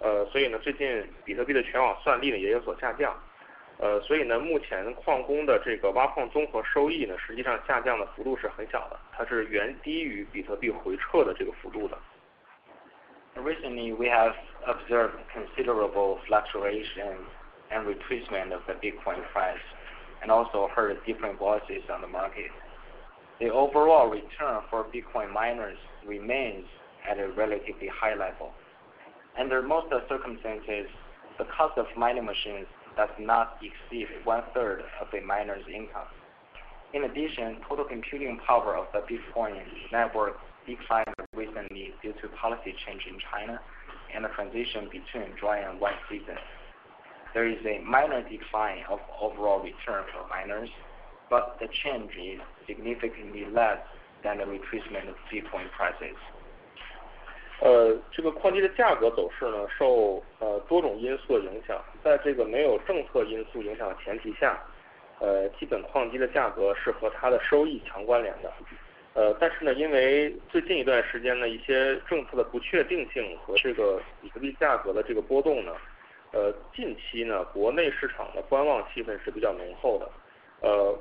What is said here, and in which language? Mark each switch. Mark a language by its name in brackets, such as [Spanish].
[Chinese] 所以呢，最近比特币的全网算力呢也有所下降，所以呢，目前矿工的这个挖矿综合收益呢，实际上下降的幅度是很小的，它是远低于比特币回撤的这个幅度的。 [English] Recently, we have observed considerable fluctuation and retracement of the Bitcoin price, and also heard different voices on the market. The overall return for Bitcoin miners remains at a relatively high level. Under most circumstances, the cost of mining machines does not exceed 1/3 of a miner's income. In addition, total computing power of the Bitcoin network declined recently due to policy change in China and the transition between dry and wet season. There is a minor decline of overall return for miners, but the change is significantly less than the retracement of Bitcoin prices. [Chinese] 这个矿机的价格走势呢，受多种因素的影响，在这个没有政策因素影响的前提下，基本矿机的价格是和它的收益强关联的。但是呢，因为最近一段时间呢，一些政策的不确定性和这个比特币价格的这个波动呢，近期呢，国内市场的观望气氛是比较浓厚的。